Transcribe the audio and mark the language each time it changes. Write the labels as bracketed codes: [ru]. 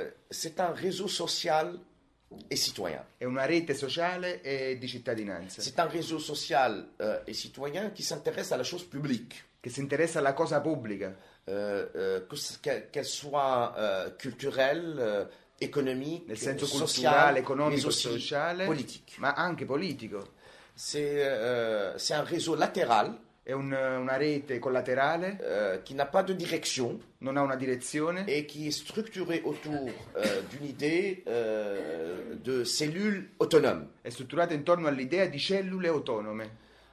[fr] C'est un réseau social et citoyen. [it] È una rete sociale e di cittadinanza. [fr] C'est un réseau social et citoyen qui s'intéresse à la chose publique. [it] Che si interessa alla cosa pubblica. [fr] Qu'elle soit culturelle, économique, [it] nel senso culturale, sociale, economico, sociale, [fr] politique. [it] Ma anche politico. [fr] C'est un réseau latéral. [it] È una rete collaterale. [fr] Qui n'a pas de direction. [it] Non ha una direzione. [fr] Et qui est structurée autour d'une idée de cellules autonomes. [it] È strutturata intorno all'idea di cellule autonome.